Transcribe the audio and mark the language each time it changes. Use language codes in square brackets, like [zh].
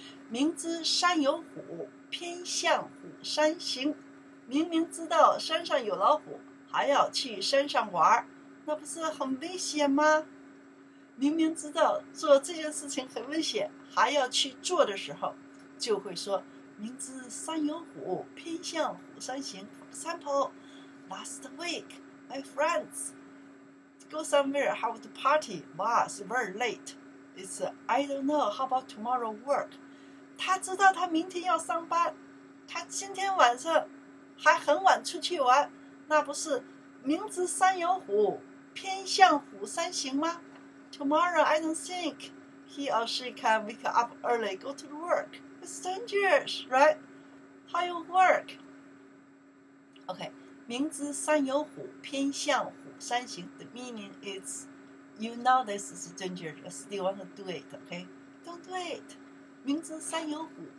[zh] 明知山有虎偏向虎山行明明知道山上有老虎还要去山上玩那不是很危险吗明明知道做这件事情很危险还要去做的时候就会说明知山有虎偏向虎山行 [en] For example,Last week, my friends go somewhere, have the party. Wow, it's very late. It's, I don't know, how about tomorrow work? [zh] 他知道他明天要上班。他今天晚上还很晚出去玩。那不是明知山有虎，偏向虎山行吗？ [en] Tomorrow, I don't think he or she can wake up early, go to work. It's dangerous, right? How you work? Okay. [zh] 明知山有虎偏向虎山行 [en] The meaning is You know this is dangerous Still want to do it, okay? Don't do it [zh] 明知山有虎